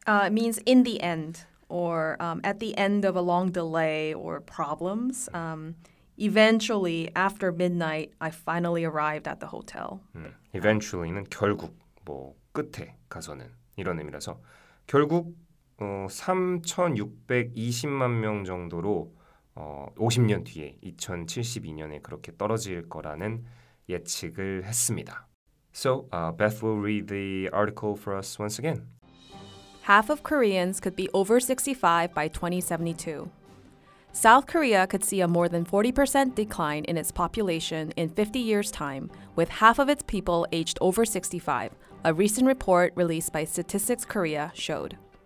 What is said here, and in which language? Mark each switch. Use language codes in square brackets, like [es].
[en] Means in the end or at the end of a long delay or problems. Eventually, after midnight, I finally arrived at the hotel. [ko] Eventually는 결국, 뭐 끝에 가서는 이런 의미라서 결국 3,620만 명 정도로 50년 뒤에 2072년에 그렇게 떨어질 거라는 예측을 했습니다. [en] So, Beth will read the article for us once again. Half of Koreans could be over 65 by 2072. South Korea could see a more than 40% decline in its population in 50 years' time, with half of its people aged over 65, a recent report released by Statistics Korea showed.